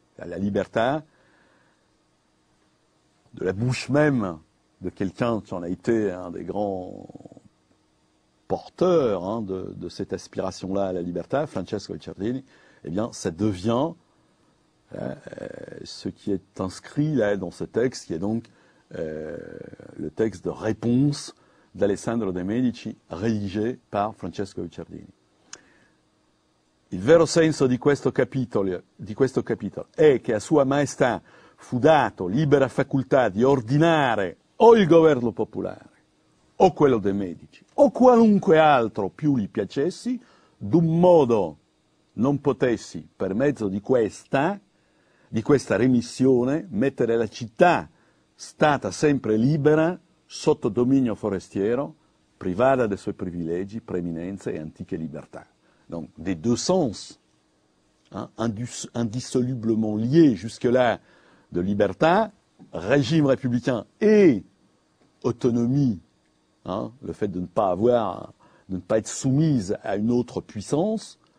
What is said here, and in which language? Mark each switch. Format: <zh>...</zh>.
<fr>La libertà de la bouche même de quelqu'un qui en a été un des grands porteurs, hein, de cette aspiration-là à la liberté, Francesco Guicciardini, eh bien, ça devient ce qui est inscrit là dans ce texte, qui est donc le texte de réponse d'Alessandro de Medici, rédigé par Francesco Guicciardini.</fr> <it>Il vero senso di questo capitolo è che a sua maestà fu dato libera facoltà di ordinare o il governo popolare, o quello dei Medici, o qualunque altro più gli piacessi, d'un modo non potessi, per mezzo di questa remissione, mettere la città, stata sempre libera, sotto dominio forestiero, privata dei suoi privilegi, preeminenze e antiche libertà.</it> <fr>Donc, des deux sens, hein, indissolublement liés jusque-là, de libertà, régime républicain et autonomie, hein, le fait de ne pas avoir, de ne pas être soumise à une autre puissance,</fr>